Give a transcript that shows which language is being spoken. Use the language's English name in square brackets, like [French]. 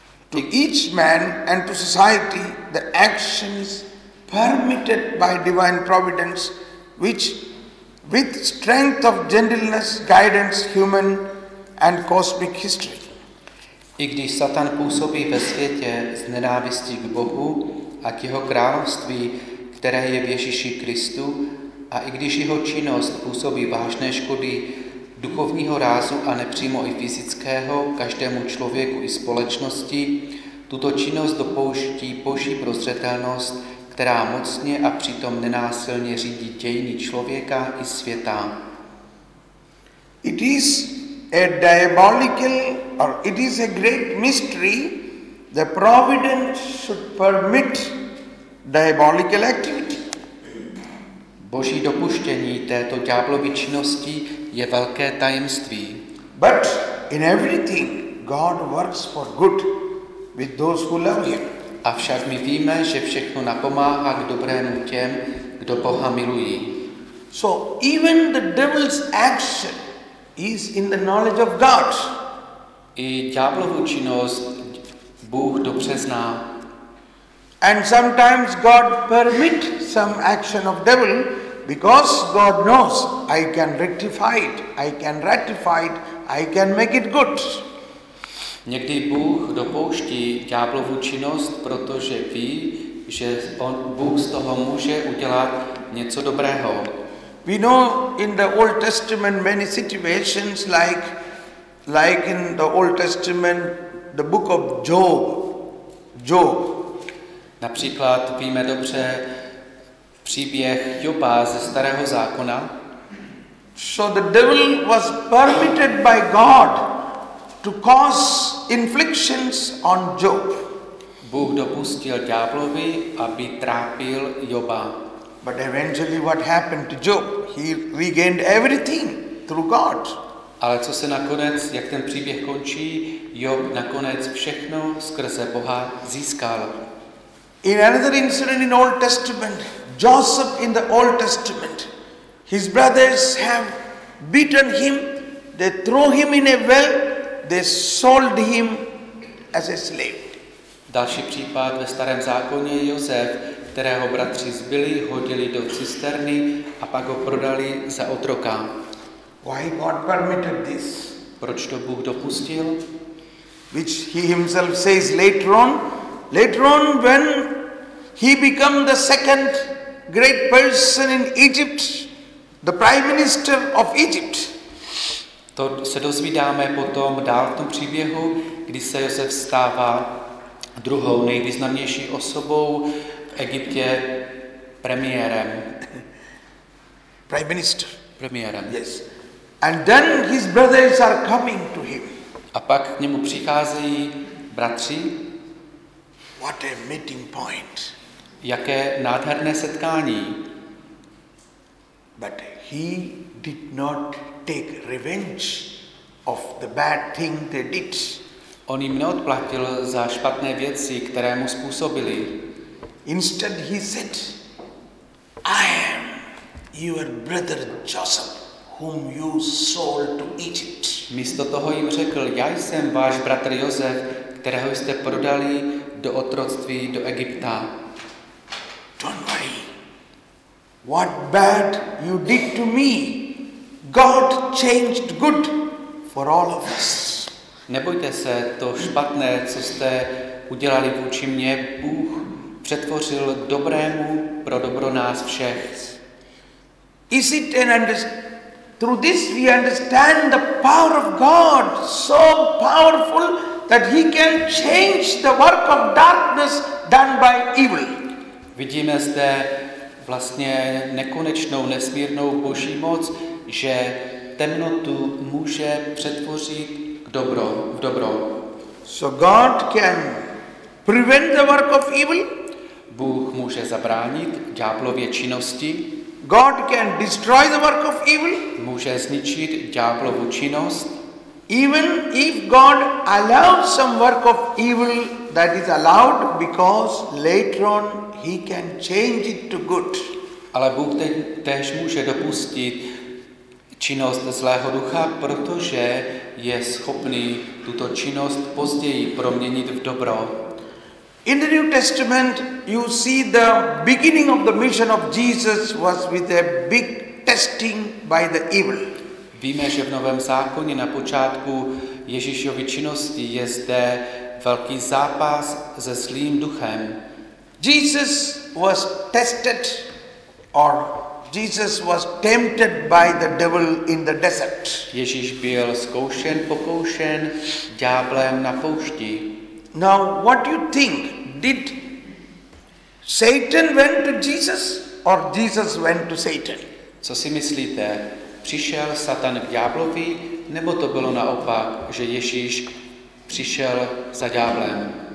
[English] to each man and to society, the actions permitted by divine providence, which with strength of gentleness guidance human and cosmic history. [Czech] I když Satan působí ve světě z nenávistí k Bohu a k jeho království, které je v Ježíši Kristu, a i když jeho činnost působí vážné škody duchovního rázu a nepřímo i fyzického každému člověku i společnosti, tuto činnost dopouští Boží prozřetelnost, která mocně a přitom nenásilně řídí dějiny člověka i světa. [English] It is a diabolical, or it is a great mystery, the providence should permit diabolical activity. [Czech] Boží dopuštění této ďáblovy činnosti je velké tajemství. [English] But in everything God works for good with those who love him. [Czech] Avšak my víme, že všechno napomáhá k dobrému těm, kdo Boha milují. [English] So even the devil's action is in the knowledge of God. [Czech] I ďáblovu činnost Bůh dobře zná. [English] And sometimes God permit some action of devil because God knows I can rectify it, I can ratify it, I can make it good. [Czech] Někdy Bůh dopouští ďáblovu činnost, protože ví, že on, Bůh z toho může udělat něco dobrého. [English] We know in the Old Testament many situations like in the Old Testament the book of Job. [Czech] Například víme dobře příběh Joba ze Starého zákona. [English] So the devil was permitted by God to cause inflictions on Job. [Czech] Bůh dopustil ďáblovi, aby trápil Joba. [English] But eventually what happened to Job? He regained everything through God. [Czech] Ale co se nakonec, jak ten příběh končí, Job nakonec všechno skrze Boha získal. [English] In another incident in Old Testament, Joseph in the Old Testament, his brothers have beaten him, they throw him in a well, they sold him as a slave. [Czech] Další případ ve Starém zákoně je Josef, kterého bratři zbili, hodili do cisterny a pak ho prodali za otroka. [English] Why God permitted this? [Czech] Proč to Bůh dopustil? [English] Which he himself says later on. Later on, when he became the second great person in Egypt, the prime minister of Egypt. [Czech] To se dozvídáme potom dál v tom příběhu, kdy se Josef stává druhou nejvýznamnější osobou v Egyptě, premiérem. [English] Prime minister. [Czech] Premiérem. [English] Yes. And then his brothers are coming to him. [Czech] A pak k němu přicházejí bratři. [English] What a meeting point. [Czech] Jaké nádherné setkání. [English] But he did not take revenge of the bad thing they did. [Czech] On jim neodplatil za špatné věci, které mu způsobili. [English] Instead he said, I am your brother Joseph, whom you sold to Egypt. [Czech] Místo toho jim řekl, já jsem váš bratr Josef, kterého jste prodali do otroctví do Egypta. [English] don't worry. What bad you did to me, God changed good for all of us. [Czech] Nebojte se, to špatné, co jste udělali vůči mně, Bůh přetvořil dobrému pro dobro nás všech. [English] Is it an through this we understand the power of God, so powerful that he can change the work of darkness done by evil. [Czech] Vidíme zde vlastně nekonečnou, nesmírnou boží moc, že temnotu může přetvořit v dobro. [English] So God can prevent the work of evil. [Czech] Bůh může zabránit ďáblově činnosti. [English] God can destroy the work of evil. [Czech] Může zničit ďáblovu činnost. [English] Even if God allows some work of evil that is allowed because later on he can change it to good. [Czech] Ale Bůh též může dopustit činnost zlého ducha, protože je schopný tuto činnost později proměnit v dobro. [English] In the New Testament you see the beginning of the mission of Jesus was with a big testing by the evil. [Czech] Víme, že v Novém zákoně na počátku Ježíšovy činnosti je zde velký zápas se zlým duchem. [English] Jesus was tested or Jesus was tempted by the devil in the desert. [Czech] Ježíš byl zkoušen, pokoušen ďáblem na poušti. [English] Now, what do you think? Did Satan went to Jesus or Jesus went to Satan? [Czech] Co si myslíte? Přišel Satan k ďáblovi, nebo to bylo naopak, že Ježíš přišel za ďáblem?